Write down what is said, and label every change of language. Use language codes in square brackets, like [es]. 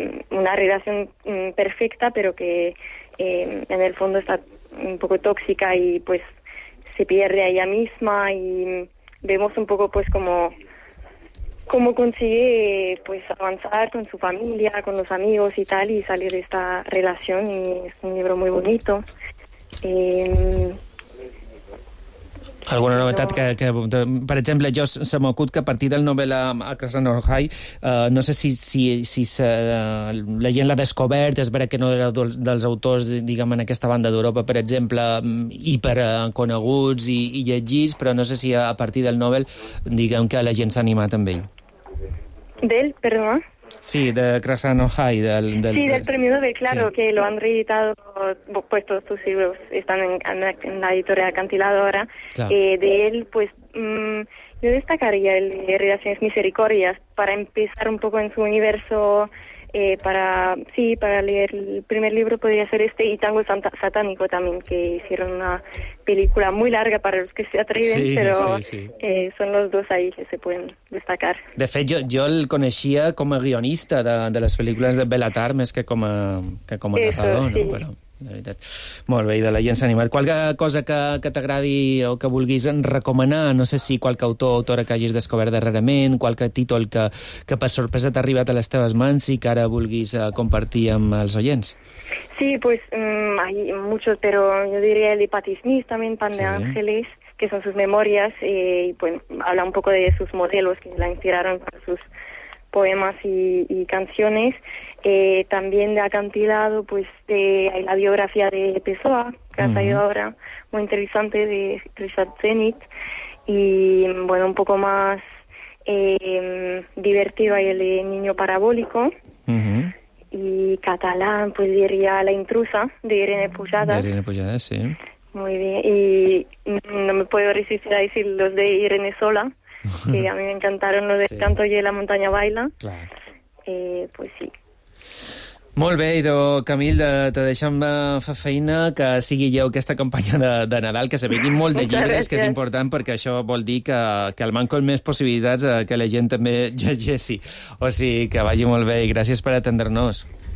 [es] una relación perfecta, pero que en el fondo está un poco tóxica y, pues, se pierde a ella misma, y vemos un poco, pues, cómo consigue, pues, avanzar con su familia, con los amigos y tal, y salir de esta relación, y es un libro muy bonito. [ca] Alguna novetat que per exemple, jo se m'acut que a partir del novel·la A Casa Norhai, no sé si la gent l'ha descobert, és vera que no era dels autors, diguem, en aquesta banda d'Europa, per exemple, hiperconeguts i llegits, però no sé si a partir del novel, diguem, que la gent s'ha animat amb ell. Del, perdó? Sí, de Crassano Hay. Del [es] Premio Nobel, claro, sí. Que lo han reeditado, pues todos sus libros están en la editorial Acantilado ahora. Claro. De él, pues, yo destacaría el de Relaciones Misericordias, para empezar un poco en su universo, para leer el primer libro podría ser este, y Tango Satánico también, que hicieron una película muy larga para los que se atreven, sí, pero sí. Son los dos ahí que se pueden destacar. [ca] De fet, jo el coneixia com a guionista de les pel·lícules de Bellatar, més que com a narrador, sí. No? Però la veritat. Molt bé, i de la gent s'ha animat. Qualque cosa que t'agradi o que vulguis recomanar, no sé si qualque autor o autora que hagis descobert darrerament, qualque títol que per sorpresa t'ha arribat a les teves mans i que ara vulguis compartir amb els oients. [es] Sí, pues hay muchos, pero yo diría el de Patti Smith, también Pan de Ángeles, que son sus memorias, y pues habla un poco de sus modelos que la inspiraron para sus poemas y canciones. También de Acantilado, pues hay la biografía de Pessoa, que ha salido ahora, muy interesante, de Richard Zenit. Y bueno, un poco más divertido hay el de Niño Parabólico. Y catalán, pues diría La Intrusa, de Irene Pujadas. De Irene Pujadas, sí. Muy bien. Y no me puedo resistir a decir los de Irene Sola, que a mí me encantaron los de sí. Canto y la montaña baila. Claro. Pues sí. [ca] Molt bé, idò, Camil, te deixem fer feina, que sigui lleu aquesta campanya de Nadal, que se vegui molt de llibres, que és important, perquè això vol dir que el manco més possibilitats que la gent també llegeixi. O sigui, que vagi molt bé i gràcies per atendre-nos.